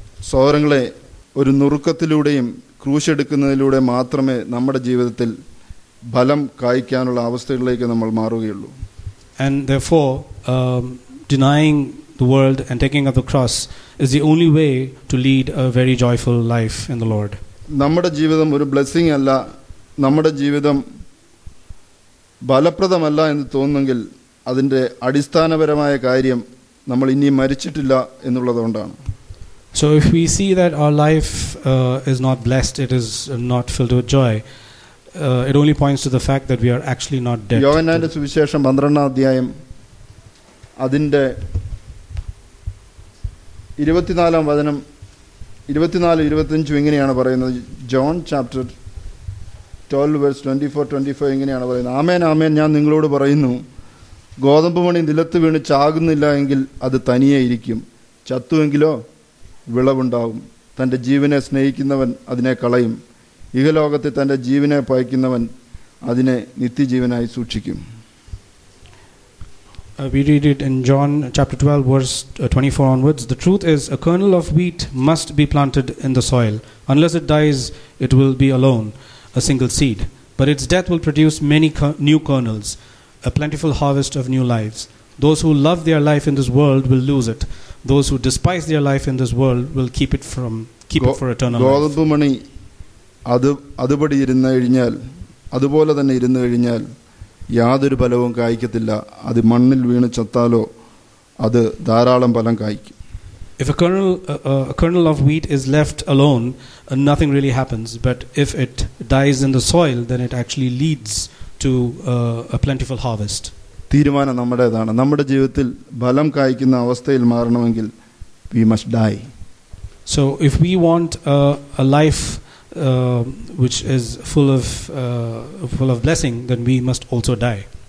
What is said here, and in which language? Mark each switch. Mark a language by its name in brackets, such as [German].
[Malayalam] സോരങ്ങളെ ഒരു നുറുക്കത്തിലൂടെയും ക്രൂശ് എടുക്കുന്നതിലൂടെ മാത്രമേ നമ്മുടെ ജീവിതത്തിൽ ഫലം കായ്ക്കാനുള്ള അവസ്ഥകളിലേക്ക് നമ്മൾ മാറുകയുള്ളൂ. [English] And therefore denying the world and taking up the cross is the only way to lead a very joyful life in the Lord. [Malayalam] നമ്മുടെ ജീവിതം ഒരു ബ്ലെസ്സിംഗ് അല്ല, നമ്മുടെ ജീവിതം ഫലപ്രദമല്ല എന്ന് തോന്നുന്നെങ്കിൽ അതിൻ്റെ അടിസ്ഥാനപരമായ കാര്യം നമ്മൾ ഇനിയും മരിച്ചിട്ടില്ല എന്നുള്ളതുകൊണ്ടാണ്. [English] So if we see that our life is not blessed, it is not filled with joy, it only points to the fact that we are actually not dead. [Malayalam] യോഹന്നാന്റെ സുവിശേഷം 12-ാം അധ്യായം അതിൻ്റെ 24-ാം വചനം 24-25 ഇങ്ങനെയാണ് പറയുന്നത്. ജോൺ ചാപ്റ്റർ 12:24-25 ഇങ്ങനെയാണ് പറയുന്നത്. ആമേൻ ആമേൻ ഞാൻ നിങ്ങളോട് പറയുന്നു, ഗോതമ്പ് മണി നിലത്ത് വീണ് ചാകുന്നില്ല എങ്കിൽ അത് തനിയെ ഇരിക്കും, ചത്തുവെങ്കിലോ വിളവുണ്ടാവും. തൻ്റെ ജീവനെ സ്നേഹിക്കുന്നവൻ അതിനെ കളയും, ഇഹലോകത്തെ തൻ്റെ ജീവനെ പയക്കുന്നവൻ അതിനെ നിത്യജീവനായി സൂക്ഷിക്കും. [English] We read it in John chapter 12 verse 24 onwards. The truth is, a kernel of wheat must be planted in the soil. Unless it dies, it will be alone, a single seed. But its death will produce many new kernels, a plentiful harvest of new lives. Those who love their life in this world will lose it. Those who despise their life in this world will keep it for eternal life. [Malayalam] ഗോതമ്പ് മണി അതുപടി ഇരുന്നു കഴിഞ്ഞാൽ, അതുപോലെ തന്നെ ഇരുന്നു കഴിഞ്ഞാൽ യാതൊരു ഫലവും കായ്ക്കത്തില്ല. അത് മണ്ണിൽ വീണ് ചത്താലോ അത് ധാരാളം ഫലം കായ്ക്കും. [English] If a kernel of wheat is left alone, nothing really happens. But if it dies in the soil, then it actually leads to a plentiful harvest. [Malayalam] തീരുമാനം നമ്മുടേതാണ്. നമ്മുടെ ജീവിതത്തിൽ ഫലം കായ്ക്കുന്ന അവസ്ഥയിൽ മാറണമെങ്കിൽ [English] we must die. So if we want a life which is full of blessing, then we must also die.